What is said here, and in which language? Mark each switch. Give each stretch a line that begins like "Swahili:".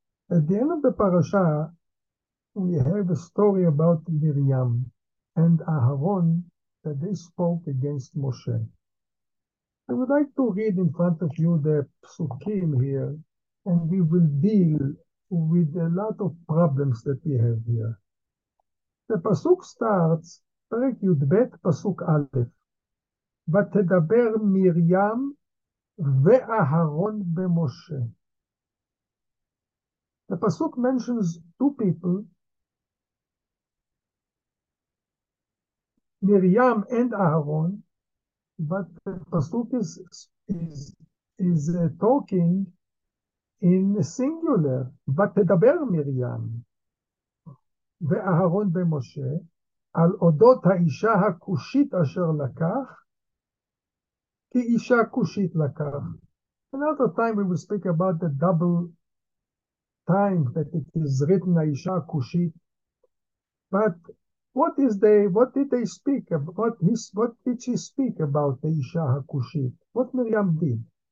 English: At the end of the parasha, we have a story about Miriam and Aharon that they spoke against Moshe. I would like to read in front of you the psukim here, and we will deal with a lot of problems that we have here. The pasuk starts,
Hebrew: פרק י"ב, פסוק א', ותדבר מרים ואהרון במשה.
English: The pasuk mentions two people,
Hebrew: מרים and אהרון,
English: but the pasuk is talking in singular,
Hebrew: ותדבר מרים ואהרון במשה, על אודות האישה הכושית אשר לקח, כי אישה כושית לקח.
English: Another time we will speak about the double time that it is written האישה הכושית. But what is they, what did they speak about? What did she speak about the אישה הכושית? What Miriam did?